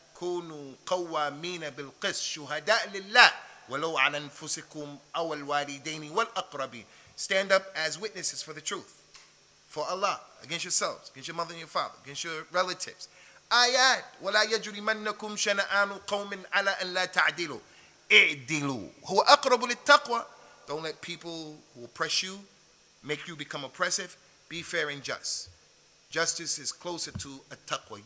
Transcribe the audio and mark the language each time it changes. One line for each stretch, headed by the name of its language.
Arabic: كونوا قوامين بالقس شهداء لله ولو على أنفسكم أو الوالدين والأقربين.
English: Stand up as witnesses for the truth, for Allah, against yourselves, against your mother and your father, against your relatives.
Arabic: آيات ولا يجرمنكم شنآن قوم على أن لا تعدلوا. اعدلوا هو أقرب للتقوى.
English: Don't let people who oppress you make you become oppressive. Be fair and just. Justice is closer to التقوى.